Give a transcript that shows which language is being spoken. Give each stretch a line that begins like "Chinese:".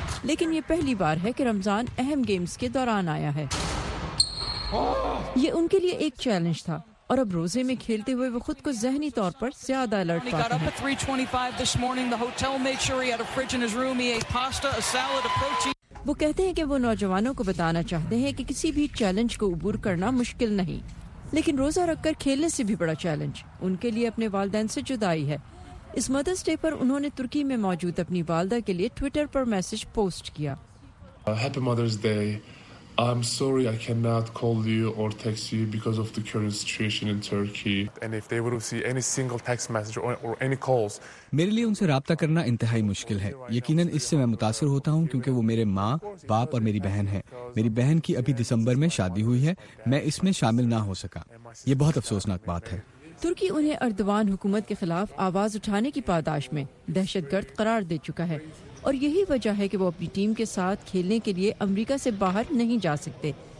Urdu: لیکن یہ پہلی بار ہے کہ رمضان اہم گیمز کے دوران آیا ہے۔ یہ ان کے لیے ایک چیلنج تھا، اور اب روزے میں کھیلتے ہوئے وہ خود کو ذہنی طور پر زیادہ الرٹ پاتے ہیں۔ وہ کہتے ہیں کہ وہ نوجوانوں کو بتانا چاہتے ہیں کہ کسی بھی چیلنج کو عبور کرنا مشکل نہیں، لیکن روزہ رکھ کر کھیلنے سے بھی بڑا چیلنج ان کے لیے اپنے والدین سے جدائی ہے۔ اس مدرس ڈے پر انہوں نے ترکی میں موجود اپنی والدہ کے لیے ٹویٹر پر میسج پوسٹ کیا۔
English: I'm sorry I cannot call you or text you because of the current situation in Turkey. And if they would see any single text message or any calls,
Urdu: میرے لیے ان سے رابطہ کرنا انتہائی مشکل ہے۔ یقیناً اس سے میں متاثر ہوتا ہوں، کیونکہ وہ میرے ماں باپ اور میری بہن ہیں۔ میری بہن کی ابھی دسمبر میں شادی ہوئی ہے، میں اس میں شامل نہ ہو سکا، یہ بہت افسوسناک بات ہے۔ ترکی انہیں اردوان حکومت کے خلاف آواز اٹھانے کی پاداش میں دہشت گرد قرار دے چکا ہے، اور یہی وجہ ہے کہ وہ اپنی ٹیم کے ساتھ کھیلنے کے لیے امریکہ سے باہر نہیں جا سکتے۔